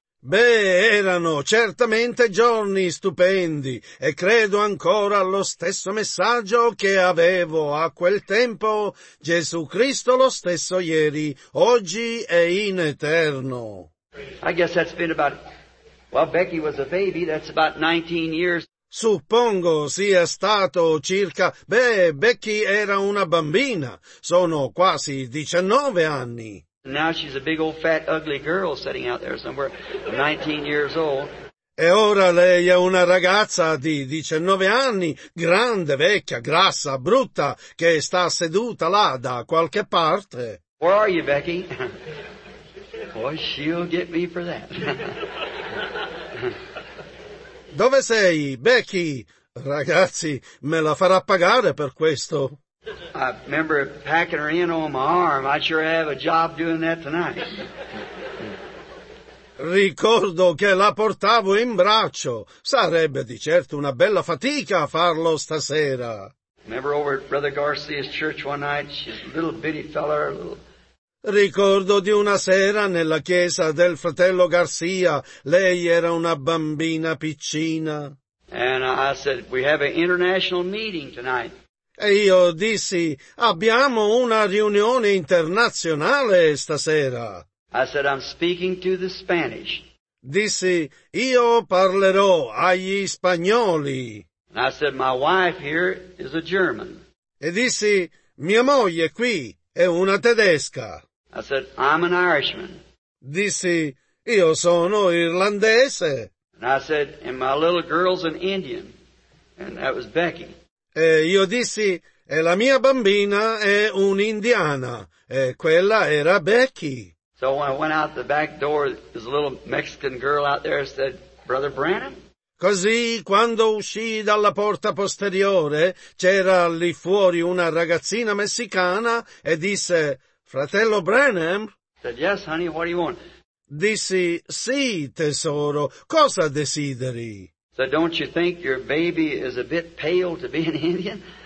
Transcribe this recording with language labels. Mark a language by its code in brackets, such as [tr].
[it] Beh, erano certamente giorni stupendi, e credo ancora allo stesso messaggio che avevo a quel tempo, Gesù Cristo lo stesso ieri, oggi e in eterno. [en] I guess that's been about, well, Becky was a baby, that's about 19 years. [it] Suppongo sia stato circa, beh, Becky era una bambina, sono quasi 19 anni. [en] Now she's a big old fat ugly girl sitting out there somewhere, 19 years old. [it] E ora lei è una ragazza di 19 anni, grande, vecchia, grassa, brutta, che sta seduta là da qualche parte. [en] Where are you, Becky? Boy, she'll get me for that. [it] Dove sei, Becky? Ragazzi, me la farà pagare per questo. [en] I remember packing her in on my arm. I sure have a job doing that tonight. [it] Ricordo che la portavo in braccio. Sarebbe di certo una bella fatica farlo stasera. [en] Remember over at Brother Garcia's church one night, she's a little bitty fella, a little... [it] Ricordo di una sera nella chiesa del fratello Garcia. Lei era una bambina piccina. [en] And I said, we have an international meeting tonight. [it] E io dissi, abbiamo una riunione internazionale stasera. [en] I said, I'm speaking to the Spanish. [it] Dissi, io parlerò agli spagnoli. [en] And I said, my wife here is a German. [it] E dissi, mia moglie qui è una tedesca. [en] I said, I'm an Irishman. [it] Dissi, io sono irlandese. [en] And I said, and my little girl's an Indian. And that was Becky. [it] E io dissi, e la mia bambina è un'indiana, e quella era Becky. [en] So when I went out the back door, this little Mexican girl out there said, Brother Branham? [it] Così, quando uscii dalla porta posteriore, c'era lì fuori una ragazzina messicana, e disse, Fratello Branham? [en] Said, yes, honey, what do you want? [it] Dissi, sì, tesoro, cosa desideri? [en] So don't you think your baby is a bit pale to be an Indian?